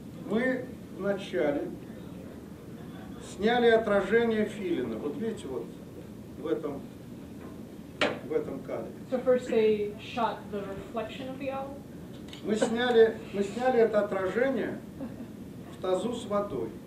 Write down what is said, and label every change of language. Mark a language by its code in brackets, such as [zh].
[ru] Мы вначале сняли отражение филина. Вот видите, вот в этом кадре. [en] So first they shot the reflection of the owl. [ru] Мы сняли это отражение в тазу с водой.